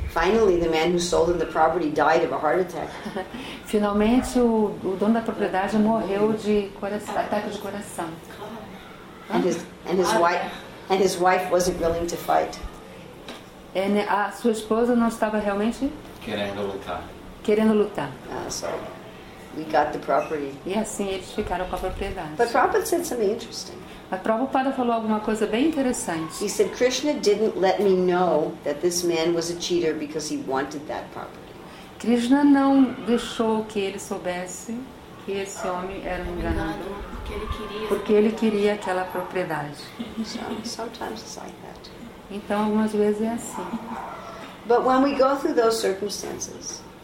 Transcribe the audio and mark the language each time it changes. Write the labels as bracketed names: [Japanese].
[English] Finally, the man who sold him the property died of a heart attack. [Portuguese] Finalmente, o dono da propriedade morreu de ataque de coração. [English] And his wife wasn't willing to fight. [Portuguese] And a sua esposa não estava realmente querendo lutar. [English] So we got the property. [Portuguese] E assim eles ficaram com a propriedade. [English] But Prabhupada said something interesting. [Portuguese] A Prabhupada falou alguma coisa bem interessante. [English] He said Krishna didn't let me know that this man was a cheater because he wanted that property. [Portuguese] Krishna não deixou que ele soubesse que esse homem era enganador porque ele queria aquela propriedade. [English] Sometimes it's like that. [Portuguese] Então algumas vezes é assim. [English] But when we go through those circumstances.